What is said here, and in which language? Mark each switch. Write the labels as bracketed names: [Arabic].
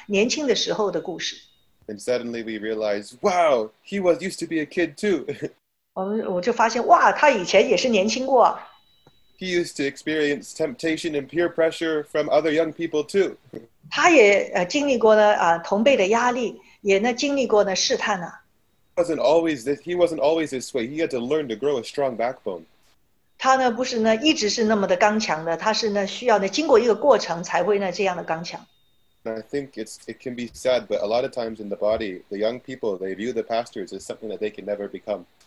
[Chinese] 所以呢，好像呢，如果按着人来说呢，我们跟我们的外公呢，好像那个距离很大，直到我们坐下来听他年轻的时候的故事。 [English] And suddenly we realize, wow, he was used to be a kid too. [Chinese] 我就发现，哇，他以前也是年轻过。 [English] He used to experience temptation and peer pressure from other young people too. [Chinese] 他也经历过呢，同辈的压力，也经历过呢试探呢。 [English] He wasn't always this way. He had to learn to grow a strong backbone. [Chinese] 他呢不是呢一直是那么的刚强的，他是呢需要呢经过一个过程才会呢这样的刚强。 [English] I think it can be sad, but a lot of times in the body, the young people, they view the pastors as something that they can never become.